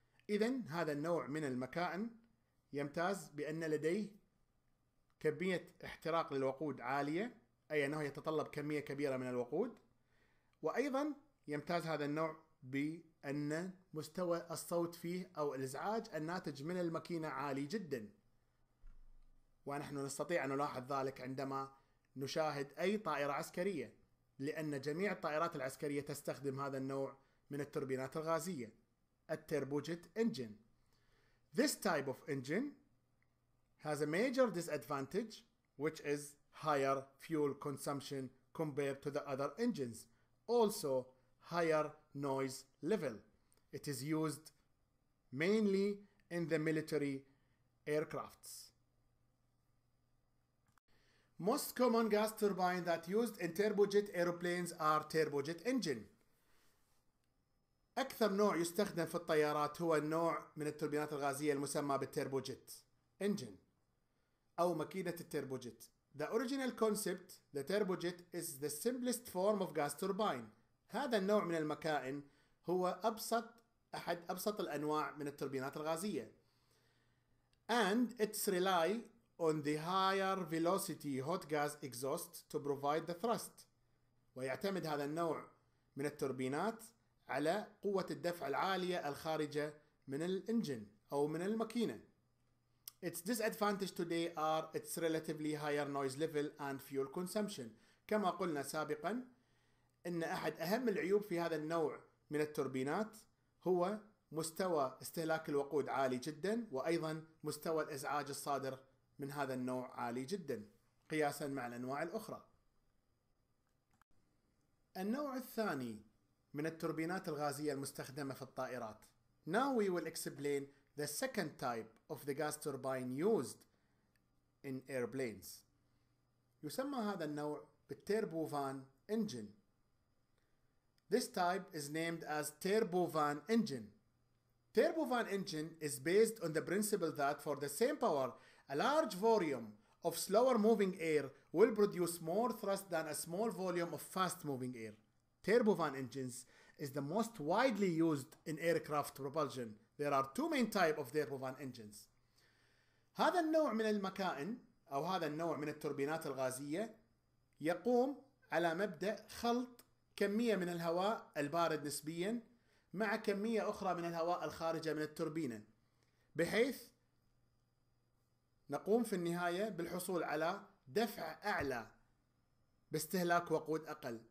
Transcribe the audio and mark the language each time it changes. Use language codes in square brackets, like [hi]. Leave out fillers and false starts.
[ar] إذن هذا النوع من المكائن يمتاز بأن لديه كمية احتراق للوقود عالية، أي أنه يتطلب كمية كبيرة من الوقود، وأيضا يمتاز هذا النوع بأن مستوى الصوت فيه أو الإزعاج الناتج من الماكينة عالي جدا، ونحن نستطيع أن نلاحظ ذلك عندما نشاهد أي طائرة عسكرية، لأن جميع الطائرات العسكرية تستخدم هذا النوع من التوربينات الغازية التيربوجيت إنجن. [en] This type of engine has a major disadvantage, which is higher fuel consumption compared to the other engines. Also, higher noise level. It is used mainly in the military aircrafts. Most common gas turbine that used in turbojet airplanes are turbojet engine. [ar] أكثر نوع يستخدم في الطيارات هو النوع من التوربينات الغازية المسمى بالتيربوجيت إنجن أو مكينة التيربوجيت. [en] The original concept, the turbojet is the simplest form of gas turbine. [ar] هذا النوع من المكائن هو أحد أبسط الأنواع من التوربينات الغازية. [en] And it's rely on the higher velocity hot gas exhaust to provide the thrust. [ar] ويعتمد هذا النوع من التوربينات على قوة الدفع العالية الخارجة من الانجن أو من الماكينة. [en] Its disadvantage today are its relatively higher noise level and fuel consumption. [ar] كما قلنا سابقا أن أحد أهم العيوب في هذا النوع من التوربينات هو مستوى استهلاك الوقود عالي جدا، وأيضا مستوى الإزعاج الصادر من هذا النوع عالي جدا قياسا مع الأنواع الأخرى. النوع الثاني من التوربينات الغازية المستخدمة في الطائرات. [en] Now we will explain the second type of the gas turbine used in airplanes. [ar] يسمى هذا النوع بالتيربوفان انجن. [en] This type is named as turbofan engine. Turbofan engine is based on the principle that for the same power, a large volume of slower moving air will produce more thrust than a small volume of fast moving air. Turbofan engines is the most widely used in aircraft propulsion. There are two main types of turbofan engines. [ar] هذا النوع من المكائن أو هذا النوع من التوربينات الغازية يقوم على مبدأ خلط كمية من الهواء البارد نسبيا مع كمية أخرى من الهواء الخارجة من التوربينة، بحيث نقوم في النهاية بالحصول على دفع أعلى باستهلاك وقود أقل.